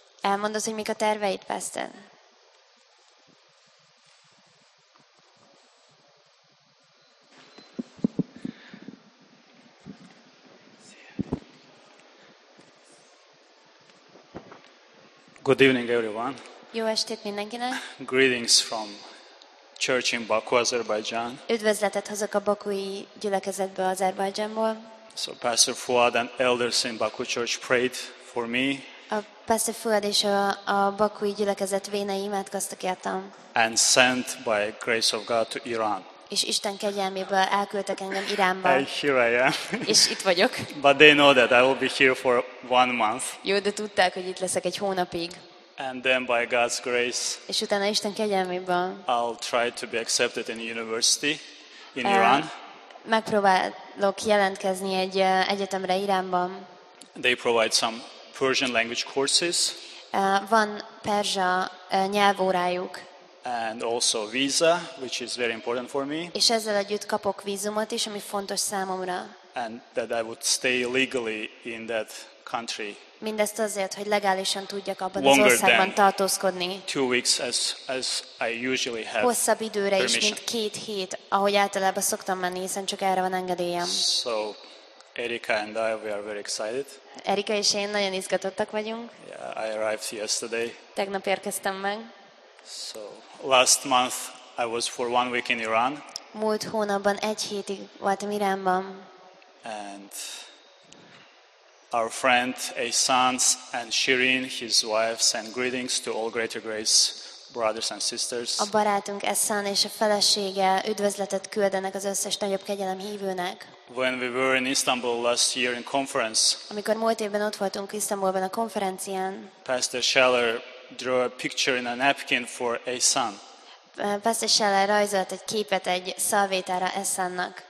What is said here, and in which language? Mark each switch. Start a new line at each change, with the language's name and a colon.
Hungarian: Elmondod, hogy mik a terveid, Pastor?
English: Good evening, everyone.
Hungarian: Jó estét mindenkinek.
English: Greetings from Church in Baku, Azerbaijan.
Hungarian: Üdvözletet hozok a bakui gyülekezetbe, Azerbaijanból.
English: So Pastor Fuad and elders in Baku Church prayed for me.
Hungarian: A Pastor Fuad és a bakui gyülekezet vénei imádkoztak értem.
English: And sent by grace of God to Iran.
Hungarian: és Isten kegyelméből elküldtek engem Iránba.
English: Here I am.
Hungarian: És itt vagyok.
English: But they know that I will be here for one month.
Hungarian: Jó, de tudták, hogy itt leszek egy hónapig.
English: And then by God's grace.
Hungarian: És utána Isten kegyelméből.
English: I'll try to be accepted in university in Iran.
Hungarian: Megpróbálok jelentkezni egy egyetemre Iránban.
English: They provide some Persian language courses.
Hungarian: Van perzsa nyelvórájuk.
English: And also visa, which is very important for me.
Hungarian: És ezzel együtt kapok vízumot is, ami fontos számomra.
English: And that I would stay legally in that country.
Hungarian: Mindezt azért, hogy legálisan tudjak abban az országban tartózkodni.
English: Two weeks as I usually have.
Hungarian: Hosszabb időre is, mint két hét, ahogy általában szoktam menni, hiszen csak erre van engedélyem.
English: So Erika and I, we are very excited.
Hungarian: Erika és én nagyon izgatottak vagyunk.
English: Yeah, I arrived yesterday.
Hungarian: Tegnap érkeztem meg.
English: So last month I was for one week in Iran.
Hungarian: Múlt hónapban egy hétig voltam Iránban.
English: And our friend Asans and Shirin, his wife, send greetings to all Greater Grace brothers and sisters.
Hungarian: A barátunk Asan és a felesége üdvözletet küldenek az összes nagyobb kegyelem hívőnek.
English: When we were in Istanbul last year in conference.
Hungarian: Amikor múlt évben ott voltunk Istanbulban a konferencián.
English: Pastor Scheller drew a picture in a napkin for Asan.
Hungarian: Pastor Scheller rajzolt egy képet egy szalvétára Asannak.